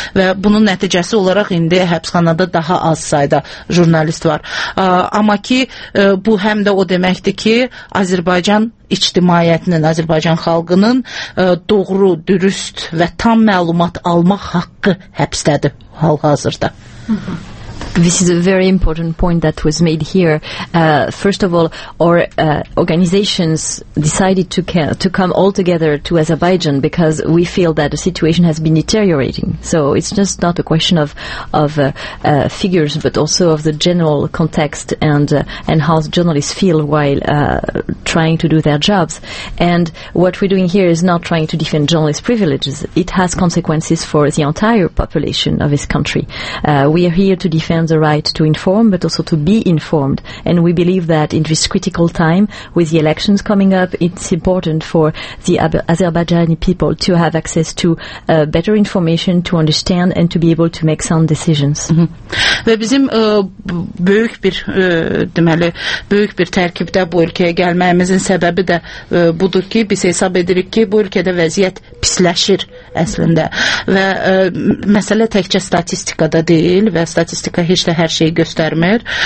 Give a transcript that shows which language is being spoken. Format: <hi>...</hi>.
<az>Və bunun nəticəsi olaraq indi həbsxanada daha az sayda jurnalist var. Amma ki, bu həm də o deməkdir ki, Azərbaycan İctimaiyyətinin, Azərbaycan xalqının doğru, dürüst və tam məlumat almaq haqqı həbsdədir hal-hazırda.</az> <en>This is a very important point that was made here. First of all, our organizations decided to come all together to Azerbaijan because we feel that the situation has been deteriorating. So it's just not a question of figures, but also of the general context and how journalists feel while trying to do their jobs. And what we're doing here is not trying to defend journalist privileges. It has consequences for the entire population of this country. We are here to defend the right to inform, but also to be informed. And we believe that in this critical time, with the elections coming up, it's important for the Azerbaijani people to have access to better information, to understand and to be able to make sound decisions.</en> <az>Ve bizim büyük bir, deməli, büyük bir tərkibdə bu ülkəyə gəlməyimizin səbəbi də budur ki, biz hesab edirik ki, bu ülkədə vəziyyət pisləşir əslində. Və məsələ təkcə statistikada deyil və statistika heç də hər şeyi göstərmir.</az>